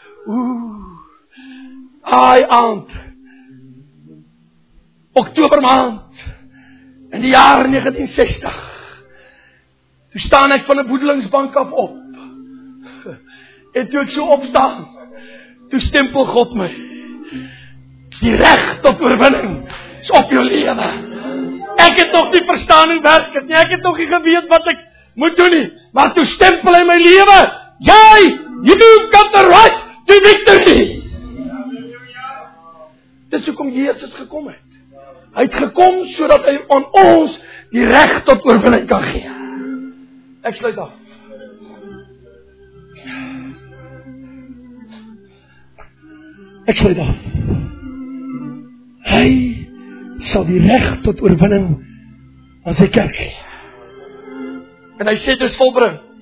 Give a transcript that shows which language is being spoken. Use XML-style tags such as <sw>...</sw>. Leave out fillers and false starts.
<af>Oeh, haai aand, oktober maand, in die jaar 1960, toe staan ek van die boedelingsbank af op, en toe ek so opstaan, toe stempel God my. Die reg tot oorwinning is op jou lewe. Ek het nog nie verstaan hoe werk dit nie. Ek het nog nie geweet wat ek moet doen nie. Maar toe stempel hy my lewe.</af> <en>Jy, you do got the right to victory.</en> <af>Dis hoekom Jesus gekom het. Hy het gekom sodat hy aan ons die reg tot oorwinning kan gee. Ek sluit af. Ek sluit af. Hy sal die reg tot oorwinning aan sy kerk gee. En hy sê, dis volbring.</af>